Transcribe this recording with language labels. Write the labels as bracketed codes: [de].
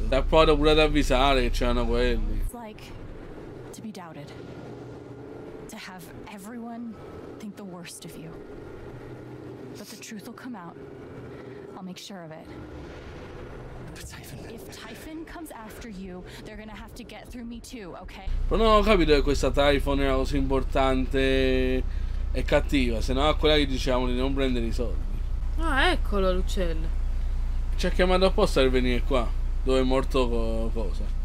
[it] Da poi ho pure ad avvisare che c'erano quelli. [en] It's like to be doubted. To have everyone think the worst of you. But the truth will come out. I'll make sure of it. But Typhon. If Typhon comes after you, they're gonna have to get through me too, okay? [it] Però non ho capito che questa Typhon era così importante e cattiva, se no quella gli diciamo di non prendere i soldi. Ah, eccolo l'uccello. Ci ha chiamato apposta per venire qua, dove è morto cosa.